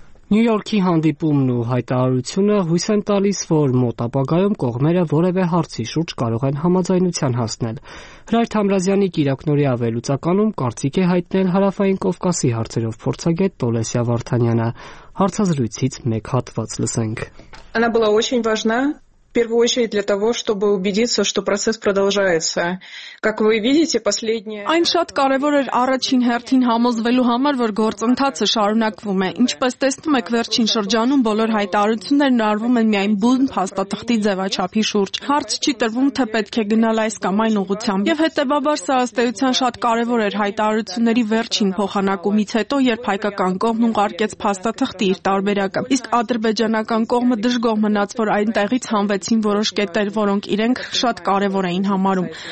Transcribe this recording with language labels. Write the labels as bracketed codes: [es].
[hy] Նյու Յորքի հանդիպումն ու հայտարարությունը հույս են տալիս, որ մոտ ապագայում կողմերը որևէ հարցի շուրջ կարող են համաձայնության հասնել։ Հրայր Թամրազյանի կիրակնորի ավելուցականում կարծիք է հայտնել Հարավային Կովկասի հարցերով փորձագետ Տոլեսիա Վարդանյանը։ Հարցազրույցից մեկ հատված լսենք։ [ru] Она была очень важна. В первую очередь для того, чтобы убедиться, что процесс продолжается. Как вы видите, последние... [hy] Այն շատ կարևոր էր առաջին հերթին համոզվելու համար, որ գործընթացը շարունակվում է։ Ինչպես տեսնում եք, վերջին շրջանում բոլոր հայտարարությունները նարվում են միայն բուն փաստաթղթի ձևաչափի շուրջ։ Հարց չի տրվում, թե պետք է գնալ այս կամ այն ուղղությամբ։ Եվ հետևաբար սա ըստեյության շատ կարևոր էր հայտարարությունների վերջին փոխանակումից հետո, երբ հայկական կողմն ուղարկեց փաստաթղթի իր տարբերակը։ Իսկ ադրբեջանական կողմը դժգոհ մնաց, որ այնտեղից վեցին որոշ կետեր, որոնք իրենք շատ կարևոր էին համարում։